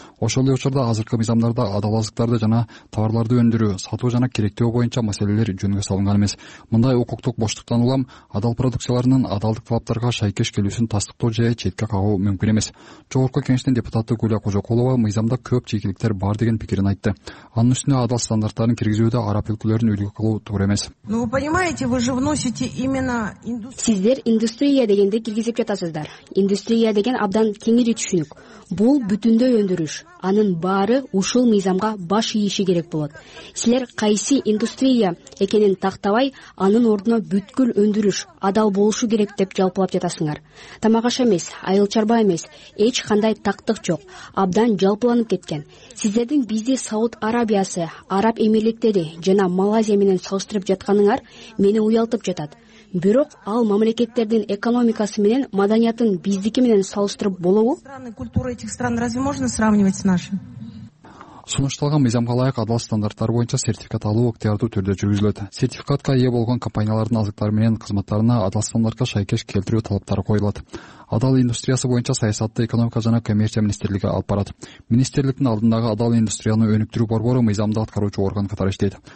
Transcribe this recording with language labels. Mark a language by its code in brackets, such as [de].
[ky] Ошол эле учурда азыркы мыйзамдарда адал азыктарды жана товарларды өндүрүү, сатуу жана керектөө боюнча маселелер жөнгө салынган эмес. Мындай укуктук боштуктан улам адал продукцияларынын адалдык талаптарга шайкеш келүүсүн тастыктоо же четке кагуу мүмкүн эмес. Жогорку кеңештин депутаты Гүлия Кожокулова мыйзамда көп чекиликтер бар деген пикирин айтты. Анын үстүнө адал стандарттарын киргизүүдө араб өлкөлөрүн үлгү кылуу туура эмес. [ru] Ну вы понимаете, вы же вносите именно [ky] Сиздер индустрия дегенди киргизип жатасыздар. Индустрия деген абдан кеңири түшүнүк. Бул бүтүндөй өндүрүш. Анын баары ушул мыйзамга баш ийиши керек болот. Силер кайсы индустрия экенин тактабай, анын ордуна бүткүл өндүрүш адал болушу керек деп жалпылап жатасыңар. Тамак аш эмес, айыл чарба эмес, эч кандай тактык жок, абдан жалпыланып кеткен. Сиздердин бизди Сауд Арабиясы, Араб Эмирликтери жана Малайзия менен салыштырып жатканыңар мени уялтып жатат. Бирок ал мамлекеттердин экономикасы менен маданиятын биздики менен салыштырып болобу? [ru] Культура этих стран разве можно сравнивать с нашей? [ky] Сунушталган мыйзамга ылайык адал стандарттар боюнча сертификат алуу ыктыярдуу түрдө жүргүзүлөт. Сертификатка ээ болгон компаниялардын азыктары менен кызматтарына адал стандартка шайкеш келтирүү талаптары коюлат. Адал индустриясы боюнча саясатты экономика жана коммерция министрлиги алып барат. Министрликтин алдындагы адал индустрияны өнүктүрүү борбору мыйзамды аткаруучу орган катары иштейт.